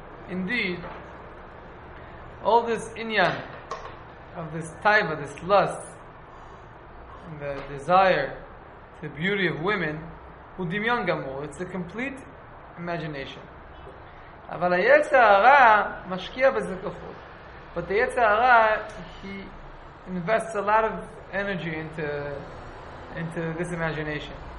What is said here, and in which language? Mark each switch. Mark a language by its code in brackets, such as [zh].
[en] Indeed, all this inyan of this taiva, this lust, and the desire to the beauty of women, [he] hu dimyon gamur, [en] it's a complete imagination. [he] אבל היצר הרע משקיע בזה כוחות. [en] But the יצר הרע, he invests a lot of energy into this imagination.